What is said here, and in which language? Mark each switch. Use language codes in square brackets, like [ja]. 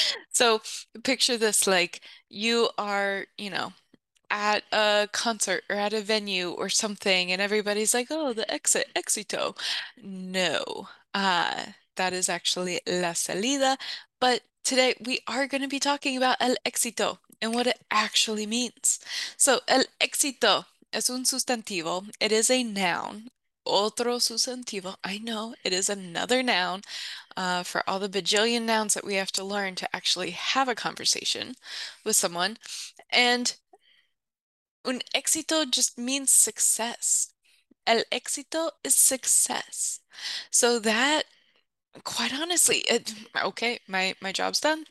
[en] So picture this, like you are, you know, at a concert or at a venue or something, and everybody's like, oh, the exit, éxito. No, that is actually [es] la salida. [en] But today we are going to be talking about [es] el éxito [en] and what it actually means. [es] So el éxito es un sustantivo. [en] It is a noun. [es] Otro sustantivo. [en] I know it is another noun for all the bajillion nouns that we have to learn to actually have a conversation with someone. And [es] un éxito [en] just means success. [es] El éxito [en] is success. So that, quite honestly, it, okay, my job's done.